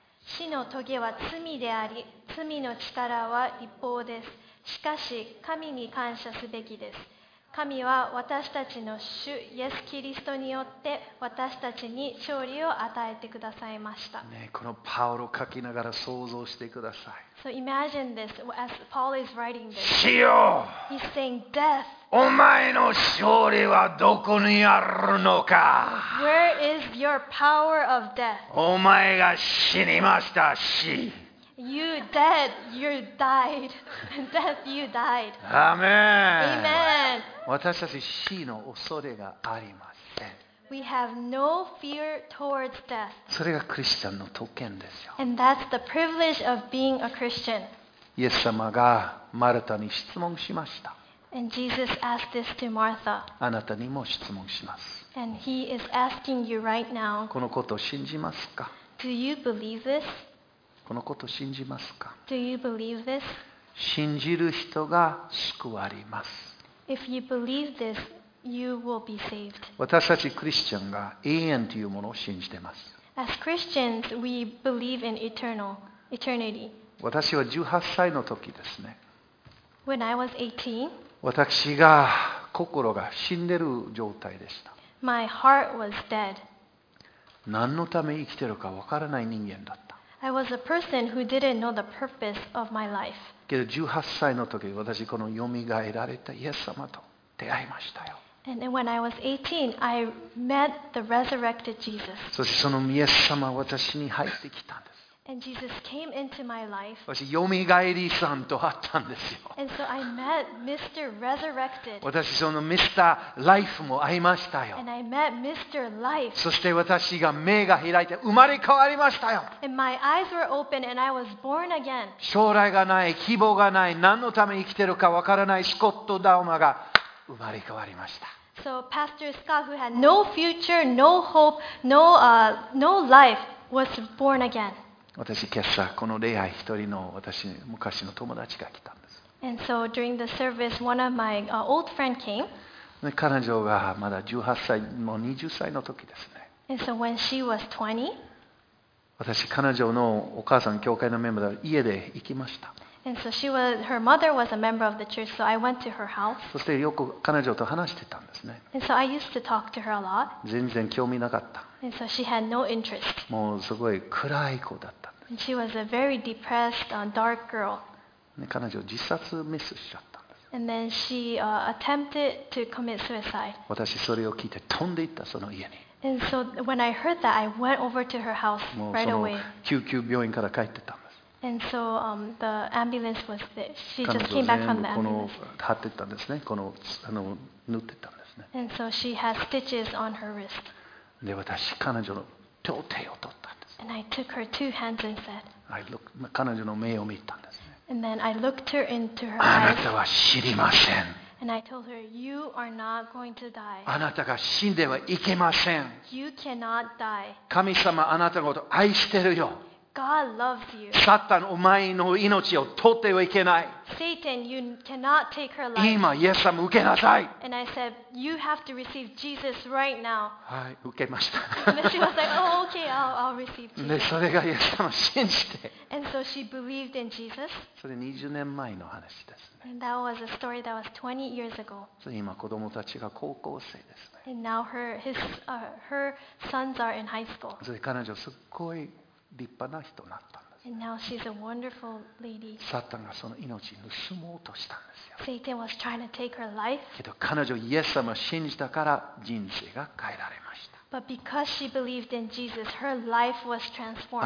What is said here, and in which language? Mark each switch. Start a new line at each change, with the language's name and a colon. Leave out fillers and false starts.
Japanese: 死の棘は罪であり、罪の力は律法です。しかし神に感謝すべきです。神は私たちの主イエス・キリストによって私たちに勝利を与えてくださいました。ね、このパウロ書きながら想像してください。
English: So imagine this as Paul is writing this.
Japanese: 死よ。
English: He's saying death.
Japanese: お前の勝利はどこにあるのか。
English: Where is your power of death?
Japanese: お前が死にました、死。
English: You dead, you died. Death, you died.
Japanese: アーメン。
English: Amen.
Japanese: 私たち死の恐れがありません。
English: We have no fear towards death.
Japanese: それがクリスチャンの特権ですよ。
English: And that's the privilege of being a Christian.
Japanese: イエス様がマルタに質問しました。
English: And Jesus asked this to Martha.
Japanese: あなたにも質問します。
English: And he is asking you right now.
Japanese: このことを信じますか?
English: Do you believe this?
Japanese: このことを信じますか?
English: Do you believe this?
Japanese: 信じる人が救われます。
English: If you believe this, you will be saved.
Japanese: 私たちクリスチャンが永遠というものを信じてます。
English: As Christians, we believe in eternity.
Japanese: 私は18歳の時ですね。
English: When I was 18,
Japanese: 私が心が死んでる状態でした。
English: My heart was dead.
Japanese: 何のため生きてるかわからない人間だった。
English: I was a person who didn't know the purpose of my life.
Japanese: けど18歳の時、私このよみがえられたイエス様と出会いましたよ。
English: And then when I was 18, I met the resurrected Jesus.
Japanese: そしてそのイエス様は私に入ってきたんです。
English: And Jesus came into my life.
Japanese: 私、よみがえりさんと会ったんですよ。
English: And so、I met Mr. Resurrected.
Japanese: 私、そのミスター・ライフも会いましたよ。
English: And I met Mr. Life.
Japanese: そして私が目が開いて生まれ変わりましたよ。
English: And my eyes were open and I was born again.
Japanese: 将来がない、希望がない、何のために生きてるかわからないスコット・ダウマが生まれ変わりました。
English: So Pastor Scott, who had no future, no hope, no life, was born again.
Japanese: 私今朝この礼拝一人の私昔の友達が来たんです。
English: And so during the service, one of my old friend came.
Japanese: 彼女がまだ18歳、もう20歳の時ですね。
English: And so when she was 20,
Japanese: 私彼女のお母さん教会のメンバーで家で行きました。
English: And so she was, her mother was a member of the church, so I went to her house.
Japanese: そしてよく彼女と話してたんですね。
English: And so I used to talk to her a lot.
Japanese: 全然興味なかった。
English: And so she had no interest.
Japanese: もうすごい暗い子だった。
English: And she was a very depressed, dark girl.
Japanese: 彼女自殺ミスしちゃった。
English: And then she, attempted to commit suicide.
Japanese: 私それを聞いて飛んで行ったその家に。
English: And so when I heard that, I went over to her house right away.
Japanese: 救急病院から帰ってた。
English: And so, the ambulance was there. She just came back from the ambulance.
Japanese: 貼ってたんですね。この、塗ってたんですね。
English: And so she has stitches on her wrist.
Japanese: で、私、彼女の手を取ったんです。
English: And I took her two hands and said, I looked,
Japanese: 彼女の目を見たんですね。
English: And then I looked her into her
Japanese: eyes. あなたは死にません。
English: And I told her, you are not going to die.
Japanese: あなたが死んではいけません。
English: You cannot die.
Japanese: 神様、あなたのこと愛してるよ。
English: God loves you.
Japanese: サタン、お前の命を取ってはいけない。
English: Satan, you cannot take her life.
Japanese: 今、イエス様受けなさい。
English: And I said, you have to receive Jesus right now.
Japanese: はい、受けました。
English: And she was like, oh, okay, I'll receive Jesus.
Japanese: で、それがイエス様を信じて。
English: And so she believed in Jesus.
Japanese: それ20年前の話ですね。
English: And that was a story that was 20 years ago.
Japanese: 今、子供たちが高校生ですね。
English: And now her sons are in high school.
Japanese: それ彼女すっごい立派な人になったんです。
English: And now she's a wonderful lady.
Japanese: サタンがその命を盗もうとしたんですよ。
English: Satan was trying to take her life.
Japanese: けど彼女イエス様を信じたから人生が変えられました。
English: But because she believed in Jesus, her life was transformed.